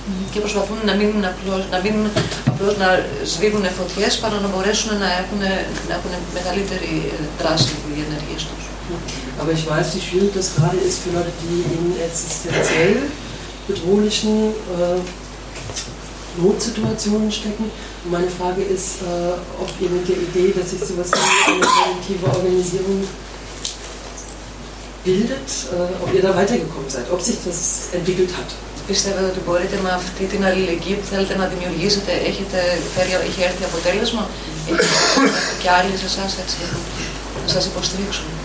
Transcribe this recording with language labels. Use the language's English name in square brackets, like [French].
[Greek] και προσπαθούν να μην απλώς να σβήνουν φωτιές παρά να μπορέσουν να έχουν μεγαλύτερη δράση για τις ενέργειές τους. [German] Aber ich weiß, wie schwierig das gerade ist für Leute, die in existenziell bedrohlichen Notsituationen stecken. Meine Frage ist, ob ihr mit der Idee, dass sich sowas wie eine kollektive Organisation bildet, ob ihr da weitergekommen seid, ob sich das entwickelt hat. [Greek] Πιστεύετε ότι μπορείτε με αυτή την αλληλεγγύη που θέλετε να δημιουργήσετε, έχει έρθει αποτέλεσμα και άλλοι σε εσάς έτσι να σας υποστηρίξουν.